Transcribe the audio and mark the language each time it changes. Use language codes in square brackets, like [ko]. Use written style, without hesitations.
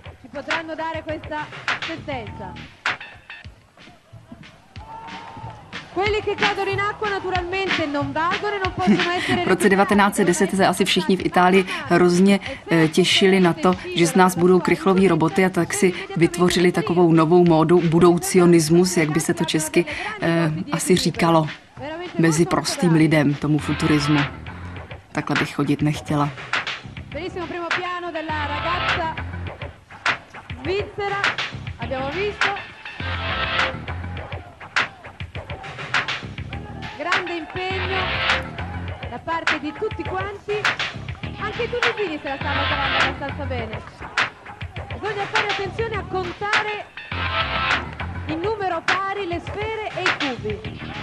[it] Potranno dare questa sentenza. Quelli che cadono in acqua naturalmente non valgono e non possono essere. [cs] V roce 1910 se asi všichni v Itálii hrozně těšili na to, že z nás budou krychloví roboty, a tak si vytvořili takovou novou módu budoucionismus, jak by se to česky asi říkalo, mezi prostým lidem tomu futurismu. Takhle bych chodit nechtěla. [it] Bellissimo primo piano della ragazza Svizzera, abbiamo visto. Grande impegno da parte di tutti quanti. Anche i tunisini se la stanno cavando abbastanza bene. Bisogna fare attenzione a contare in numero pari le sfere e i cubi.